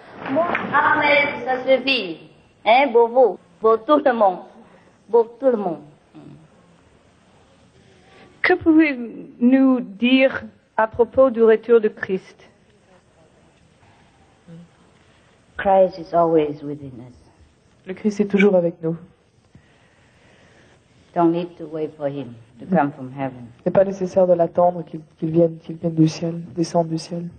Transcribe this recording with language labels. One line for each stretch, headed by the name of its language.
French: Moi, 1 maître, ça suffit. Hein, pour vous, pour tout le monde. Pour tout le monde. Que pouvez-nous dire à propos du retour de Christ?
English: Christ is always within us.
French: Le Christ est toujours avec nous.
English: Don't need to wait for him to come from heaven.
French: Ce n'est pas nécessaire de l'attendre qu'il vienne du ciel, descende du ciel.